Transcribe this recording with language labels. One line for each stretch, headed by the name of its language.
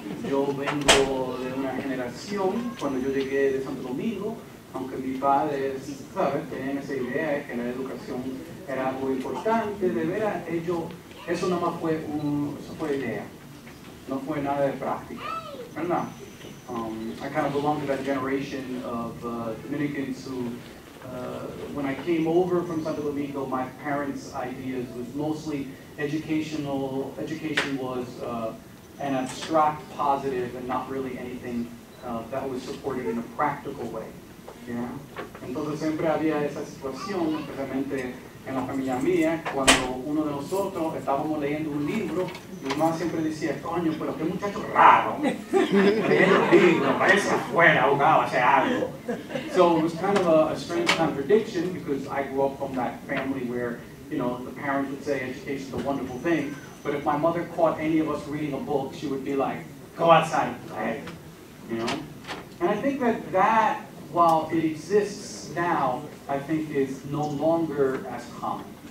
Spanish: Yo vengo de una generación, cuando yo llegué de Santo Domingo, aunque mi padre, ¿sabes?, tenían esa idea de que la educación era algo importante, de veras, ellos, eso nada más fue eso fue idea, no fue nada de práctica, ¿verdad?
English: I kind of belong to that generation of Dominicans who, when I came over from Santo Domingo, my parents' ideas was mostly educational, education was an abstract positive and not really anything that was supported in a practical way. Yeah.
Spanish: Entonces siempre había esa situación, especialmente en la familia mía, cuando uno de nosotros estábamos leyendo un libro, mi mamá siempre decía, coño, pero qué muchacho raro, leyendo un libro, parece afuera, ahogado, hace algo.
English: So it was kind of a strange contradiction, because I grew up from that family where, you know, the parents would say education is a wonderful thing, but if my mother caught any of us reading a book, she would be like, go outside and play, you know? And I think that while it exists now, I think it's no longer as common.